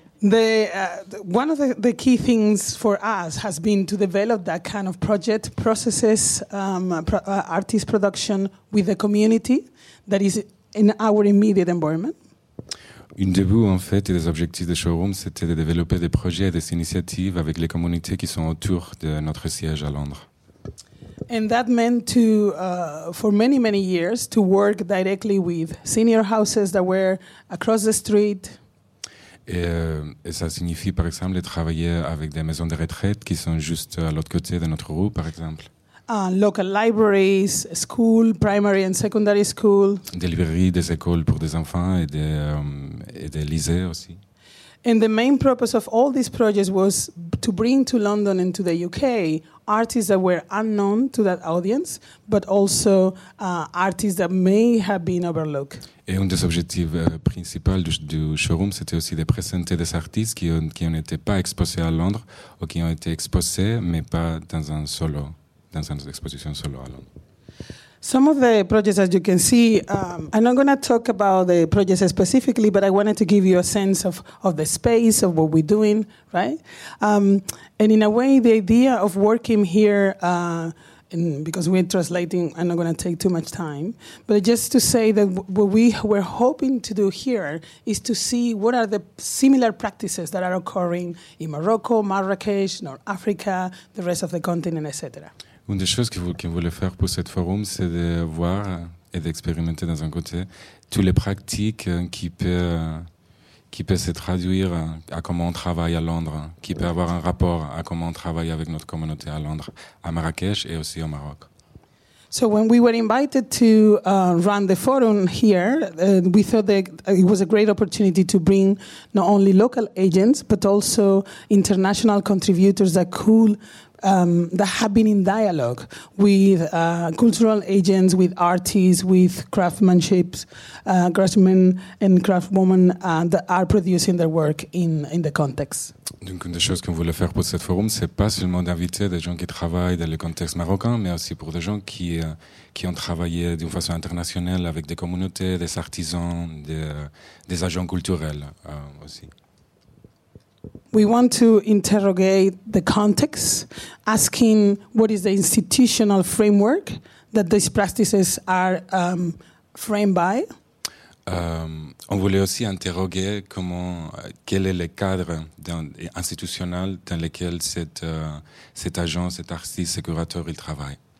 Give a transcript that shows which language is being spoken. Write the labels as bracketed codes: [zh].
[en] One of the key things for us has been to develop that kind of project processes, artist production with the community that is in our immediate environment. [fr] Une début, en fait, et des objectifs de showroom, c'était de développer des projets et des initiatives avec les communautés qui sont autour de notre siège à Londres. [en] And that meant to, for many, many years, to work directly with senior houses that were across the street. [fr] Et ça signifie, par exemple, de travailler avec des maisons de retraite qui sont juste à l'autre côté de notre rue, par exemple. [en] Local libraries, school, primary and secondary school. [fr] Des librairies, des écoles pour des enfants et des lycées aussi. [en] And the main purpose of all these projects was to bring to London and to the UK artists that were unknown to that audience, but also artists that may have been overlooked. [fr] Et un des objectifs principaux du showroom, c'était aussi de présenter des artistes qui ont été pas exposés à Londres ou qui ont été exposés mais pas dans une exposition solo à Londres. [en] Some of the projects, as you can see, I'm not going to talk about the projects specifically, but I wanted to give you a sense of the space, of what we're doing, right? And in a way, the idea of working here, because we're translating, I'm not going to take too much time, but just to say that what we were hoping to do here is to see what are the similar practices that are occurring in Morocco, Marrakech, North Africa, the rest of the continent, etc. [fr] Une des choses qu'on voulait faire pour cette forum, c'est de voir et d'expérimenter dans un côté toutes les pratiques qui peuvent se traduire à comment on travaille à Londres, qui peut avoir un rapport à comment on travaille avec notre communauté à Londres, à Marrakech et aussi au Maroc. [en] So when we were invited to run the forum here, we thought that it was a great opportunity to bring not only local agents, but also international contributors that could that have been in dialogue with cultural agents, with artists, with craftsmanship, craftsmen and craftswomen that are producing their work in the context. [fr] Donc une des choses qu'on voulait faire pour cette forum, c'est pas seulement d'inviter des gens qui travaillent dans le contexte marocain, mais aussi pour des gens qui ont travaillé d'une façon internationale avec des communautés, des artisans, des agents culturels aussi. [en] We want to interrogate the context, asking what is the institutional framework that these practices are framed by. [fr] On voulait aussi interroger comment, quel est le cadre institutionnel dans lequel cet agent, cet artiste, ce curateur, il travaille.